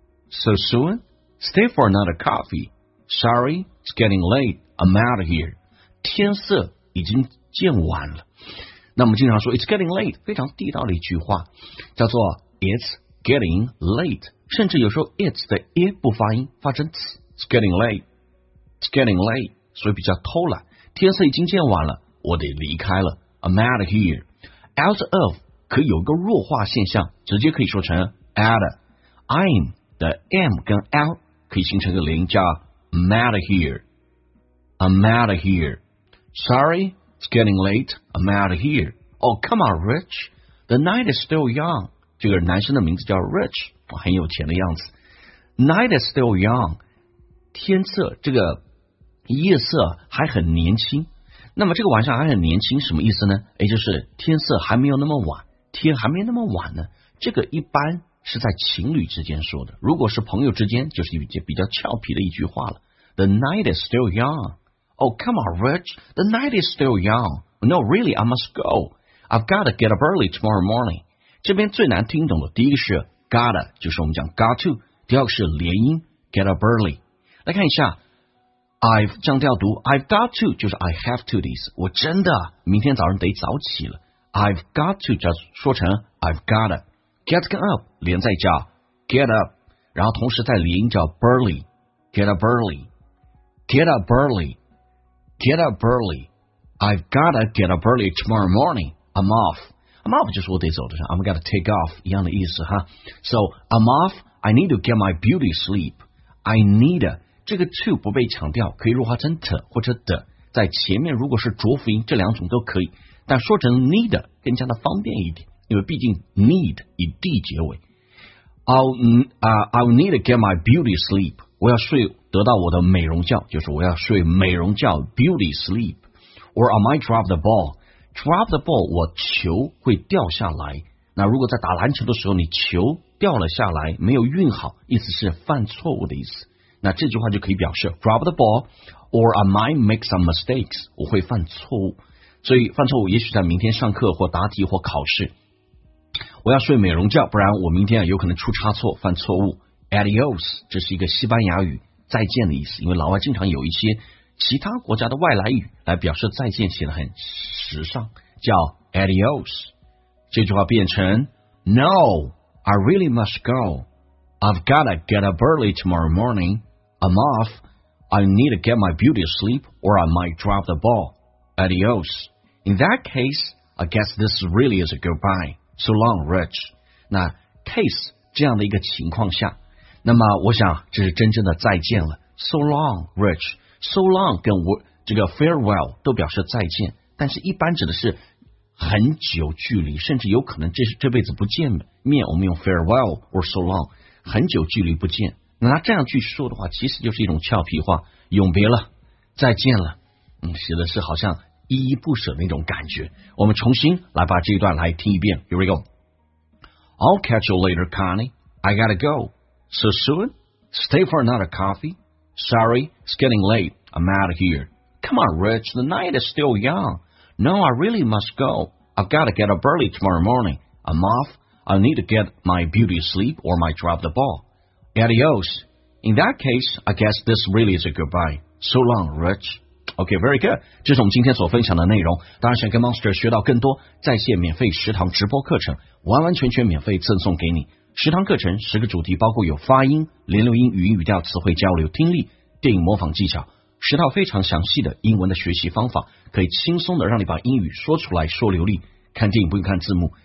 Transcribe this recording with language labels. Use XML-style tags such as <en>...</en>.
<en>so soon stay for another coffee sorry it's getting late I'm out of here</en> <zh>天色已经渐晚了那我们经常说</zh> <en>it's getting late</en> <zh>非常地道的一句话叫做 it's getting late 甚至有时候 it's 的 i 不发音发成</zh> <en>it's getting lateIt's getting late,</en> <zh>所以比较偷懒。天色已经渐晚了，我得离开了。</zh> <en>I'm out of here. Out of</en> <zh>可以有一个弱化现象，直接可以说成 out of. I'm 的 M 跟 L 可以形成一个连音，叫</zh> <en>I'm out of here. I'm out of here. Sorry, it's getting late. I'm out of here. Oh, come on, Rich. The night is still young.</en> <zh>这个男生的名字叫 Rich, 很有钱的样子。</zh> <en>Night is still young.</en> <zh>天色这个夜色还很年轻那么这个晚上还很年轻什么意思呢也就是天色还没有那么晚天还没那么晚呢这个一般是在情侣之间说的如果是朋友之间就是一比较俏皮的一句话了</zh> <en>The night is still young Oh come on Rich The night is still young No really I must go I've gotta get up early tomorrow morning</en> <zh>这边最难听懂的第一个是 gotta 就是我们讲 got to 第二个是连音</zh> <en>get up earlyLet's look at it.</en> <zh>I've 降调读</zh> <en>I've got to</en> <zh>就是</zh> <en>I have to</en> <zh>的意思我真的明天早上得早起了 I've got to 就说成</zh> <en>I've gotta</en> <zh>Get up 连在叫 Get up 然后同时在连音叫 Burly</zh> <en>Get up early Get up early Get up early I've gotta get up early tomorrow morning I'm off</en> <zh>I'm off 就是我得走的</zh> <en>I'm gonna take off</en> <zh>一样的意思哈</zh> <en>So I'm off I need to get my beauty sleep I need aThe to</en> <zh>不被强调，可以弱化成 t 或者 the， 在前面如果是浊辅音，这两种都可以，但说成 need 更加的方便一点，因为毕竟 need 以 d 结尾。</zh> <en>I'll need to get my beauty sleep，</en> <zh>我要睡得到我的美容觉，就是我要睡美容觉 beauty sleep，</zh> <en>or I might drop the ball，</en> <zh>drop the ball， 我球会掉下来。那如果在打篮球的时候，你球掉了下来，没有运好，意思是犯错误的意思。那这句话就可以表示</zh> <en>drop the ball or I might make some mistakes</en> <zh>我会犯错误所以犯错误也许在明天上课或答题或考试我要睡美容觉不然我明天有可能出差错犯错误 adios 这是一个西班牙语再见的意思因为老外经常有一些其他国家的外来语来表示再见显得很时尚叫 adios 这句话变成</zh> <en>no I really must goI've gotta get up early tomorrow morning. I'm off. I need to get my beauty sleep or I might drop the ball. Adios. In that case, I guess this really is a goodbye. So long, Rich.</en> <zh>那 case 这样的一个情况下那么我想这是真正的再见了。</zh> <en>So long, Rich. So long</en> <zh>跟我这个 farewell 都表示再见但是一般指的是很久距离甚至有可能这辈子不见面我们用 farewell</zh> <en>or so long.</en> <zh>很久距离不见那他这样去说的话其实就是一种俏皮话永别了再见了写的是好像依依不舍的那种感觉。我们重新来把这一段来听一遍。</zh> <en>Here we go. I'll catch you later, Connie. I gotta go. So soon? Stay for another coffee? Sorry, it's getting late. I'm out of here. Come on, Rich. The night is still young. No, I really must go. I've gotta get up early tomorrow morning. I'm off. I need to get my beauty asleep or might drop the ball. Adios. In that case, I guess this really is a goodbye. So long, Rich. OK, very good.</en> <zh>这是我们今天所分享的内容。当然想跟 Monster 学到更多在线免费食堂直播课程，完完全全免费赠送给你。食堂课程十个主题，包括有发音、连留音、语音语调、词汇交流、听力、电影模仿技巧，十套非常详细的英文的学习方法，可以轻松的让你把英语说出来说流利。看电影不用看字幕。</zh>